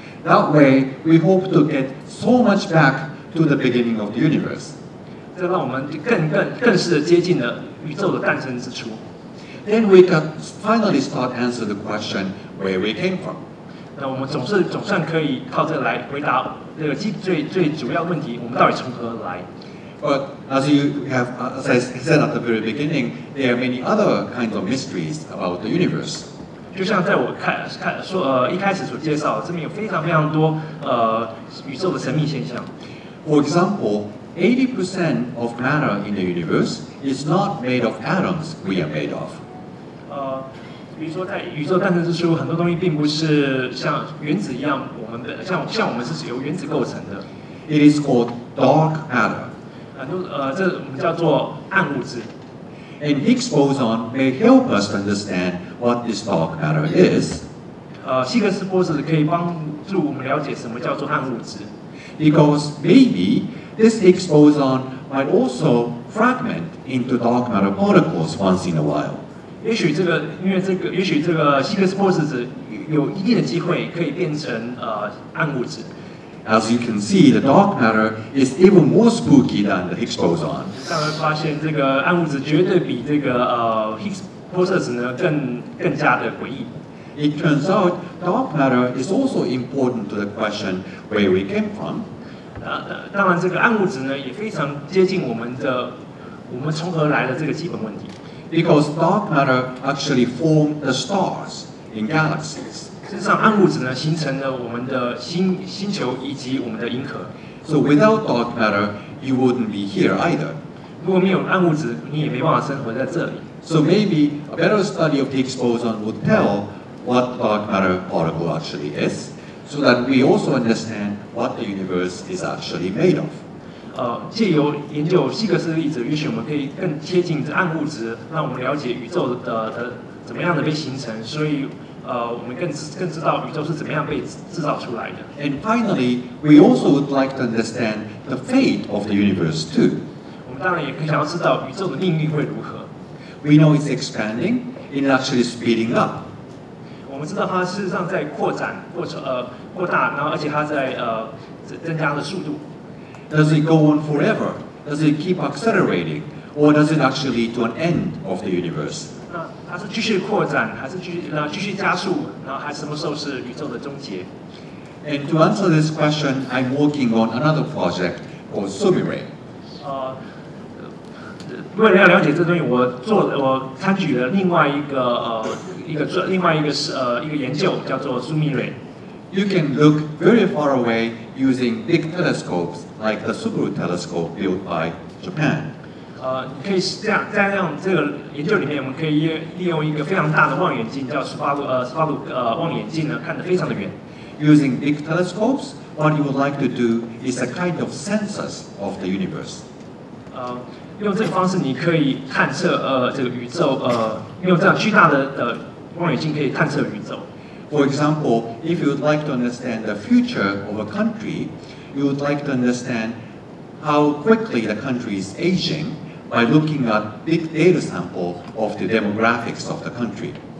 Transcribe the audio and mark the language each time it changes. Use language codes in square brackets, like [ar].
[en] That way, we hope to get so much back to the beginning of the universe. [zh] 这让我们更是接近了宇宙的诞生之初。 [en] Then we can finally start answer the question where we came from. [zh] 那我们总算可以靠这个来回答这个最主要问题：我们到底从何而来 [en] ？But as you have as I said at the very beginning, there are many other kinds of mysteries about the universe. [zh] 就像在我一开始所介绍，这边有非常非常多宇宙的神秘现象。 [en] For example, 80% of matter in the universe is not made of atoms we are made of. [zh] 比如说在宇宙诞生之初，很多东西并不是像原子一样，像我们是由原子构成的。 [en] It is called dark matter. [zh] 这我们叫做暗物质。 [en] And Higgs boson may help us understand what this dark matter is. [zh] 希格斯波子可以帮助我们了解什么叫做暗物质。 [en] Because maybe this Higgs boson might also fragment into dark matter particles once in a while. [zh] 也许这个希格斯波子有一定的机会可以变成暗物质。 [en] As you can see, the dark matter is even more spooky than the Higgs boson. [zh] 大家发现这个暗物质绝对比这个Higgs boson 呢更加的诡异。 [en] It turns out dark matter is also important to the question where we came from. [zh] 当然，这个暗物质呢也非常接近我们从何来的这个基本问题。 [en] Because dark matter actually formed the stars in galaxies. [zh] 事实上，暗物质呢形成了我们的星球以及我们的银河。 [en] So without dark matter, you wouldn't be here either. [zh] 如果没有暗物质，你也没办法生活在这里。 [en] So maybe a better study of the Higgs boson would tell what dark matter particle actually is, so that we also understand what the universe is actually made of. [zh] 借由研究希格斯粒子，也许我们可以更接近这暗物质，让我们了解宇宙的怎么样的被形成。所以。我们更知道宇宙是怎么样被制造出来的。 [en] And finally, we also would like to understand the fate of the universe too. [zh] 我们当然也可以想要知道宇宙的命运会如何。 [en] We know it's expanding, it's actually speeding up. [zh] 我们知道它事实上在扩展扩大，然后而且它在增加的速度。 [en] Does it go on forever? Does it keep accelerating? Or does it actually lead to an end of the universe? [zh] 它是继续扩展，还是继续加速？然后还什么时候是宇宙的终结 [en] ？And to answer this question, I'm working on another project called SUBMARINE. [zh] 为了要了解这东西，我参与了另外一个研究，叫做 SUBMARINE. [en] You can look very far away using big telescopes like the Subaru telescope built by Japan. [zh] 你可以这样这个研究里面，我们可以利用一个非常大的望远镜，叫斯巴鲁望远镜呢，看得非常的远。 [en] Using big telescopes, what you would like to do is a kind of census of the universe. [zh] 用这个方式，你可以探测这个宇宙用这样巨大的望远镜可以探测宇宙。 [en] For example, if you would like to understand the future of a country, you would like to understand. How quickly the country is aging by looking at big data sample of the demographics of the country.